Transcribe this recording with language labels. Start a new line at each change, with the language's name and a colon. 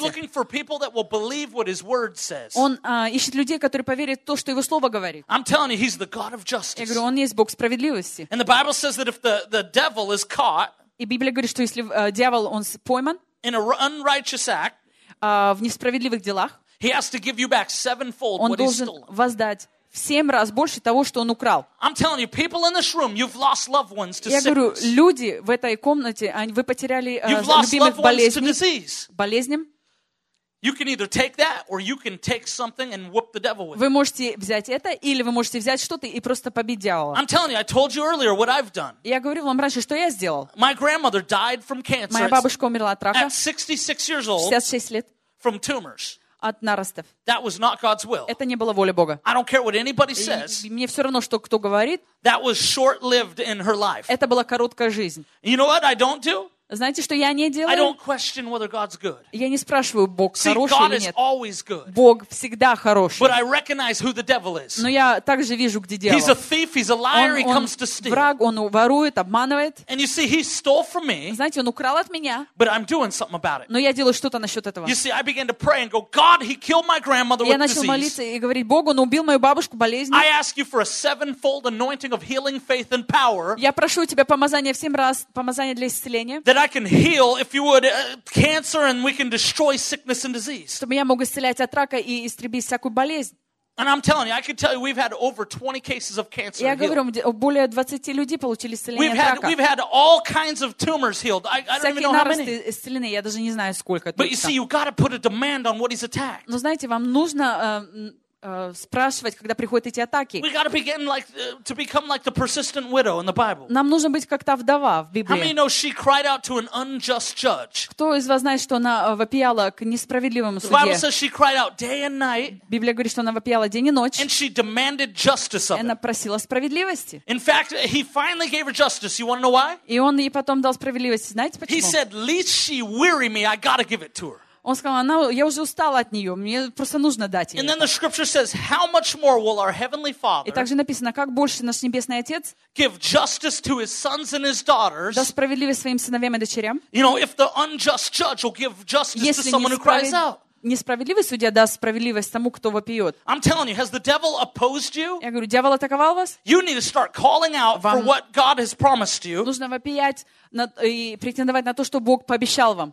English: He's looking for people that will believe what His Word says.
Russian: Он ищет людей, которые поверят то, что Его Слово говорит.
English: I'm telling you, He's the God of justice.
Russian: Я говорю, он есть Бог справедливости.
English: And the Bible says that if the devil is caught,
Russian: и Библия говорит, что если дьявол он пойман,
English: in an unrighteous act,
Russian: в несправедливых делах,
English: he has to give you back sevenfold what he's stolen.
Russian: Он должен воздать в семь раз больше того, что он украл.
English: I'm telling you, people in this room, you've lost loved ones to sickness.
Russian: Я говорю, люди в этой комнате, вы потеряли любимых болезням.
English: You can either take that, or you can take something and whoop the devil with it.
Russian: Вы можете взять это, или вы можете взять что-то и просто побить дьявола.
English: I'm telling you, I told you earlier what I've done.
Russian: Я говорил вам раньше, что я сделал.
English: My grandmother died from cancer.
Russian: Моя бабушка умерла от рака.
English: At 66 years old.
Russian: 66 лет.
English: From tumors.
Russian: От наростов.
English: That was not God's will.
Russian: Это не было воля Бога.
English: I don't care what anybody says.
Russian: Мне все равно, что кто говорит.
English: That was short-lived in her life.
Russian: Это была короткая жизнь.
English: You know what I don't do?
Russian: Знаете, что я не делаю?
English: I don't question whether God's good.
Russian: Я не спрашиваю, Бог
English: See,
Russian: хороший
English: God
Russian: или нет.
English: Is always good.
Russian: Бог всегда хороший.
English: But I recognize who the devil is.
Russian: Но я также вижу, где дьявол.
English: He's a thief, he's a liar, he comes to steal.
Russian: Он враг, он ворует, обманывает.
English: And you see, he stole from me.
Russian: Знаете, он украл от меня.
English: But I'm doing something about it.
Russian: Но я делаю что-то насчет этого.
English: You see, I began to pray and go, God, he killed my grandmother with disease.
Russian: Я начал молиться и говорить, Бог, он убил мою бабушку болезнью.
English: I ask you for a sevenfold anointing of healing, faith, and power.
Russian: Я прошу у тебя помазание в семь раз, помазание для исцеления.
English: That I can heal, if you would, cancer, and we can destroy sickness and disease.
Russian: Чтобы я мог исцелять от рака и истребить всякую болезнь.
English: And I'm telling you, I can tell you, we've had over 20 cases of cancer healed.
Russian: Я говорю, более 20 людей получили исцеление от рака.
English: We've had all kinds of tumors healed. I don't even know how many.
Russian: Всякие наросты исцелены, я даже не знаю, сколько.
English: But you see, you've got to put a demand on what he's attacked.
Russian: Но знаете, вам нужно спрашивать, когда приходят эти атаки.
English: We gotta begin like, to become like the persistent widow in the Bible.
Russian: Нам нужно быть как та вдова в Библии.
English: How many know she cried out to an unjust judge?
Russian: Кто из вас знает, что она вопияла к несправедливому судье?
English: The Bible says she cried out day and night.
Russian: Библия говорит, что она вопияла день и ночь.
English: And she demanded justice of him.
Russian: Она просила справедливости.
English: In fact, he finally gave her justice. You wanna know why?
Russian: И он ей потом дал справедливость. Знаете почему?
English: He said, "Lest she weary me, I gotta give it to her."
Russian: Он сказал, она, я уже устала от нее, мне просто нужно дать ей.
English: And then the scripture says, how much more will our heavenly Father?
Russian: И также написано, как больше наш небесный отец?
English: Give justice to his sons and his daughters.
Russian: Даст справедливость своим сыновьям и дочерям.
English: You know, if the unjust judge will give justice to someone who cries out.
Russian: Несправедливый судья даст справедливость тому, кто вопиет.
English: I'm telling you, has the devil opposed you?
Russian: Я говорю, дьявол атаковал вас?
English: You need to start calling out for what God has promised you.
Russian: Нужно вопиять и претендовать на то, что Бог пообещал вам.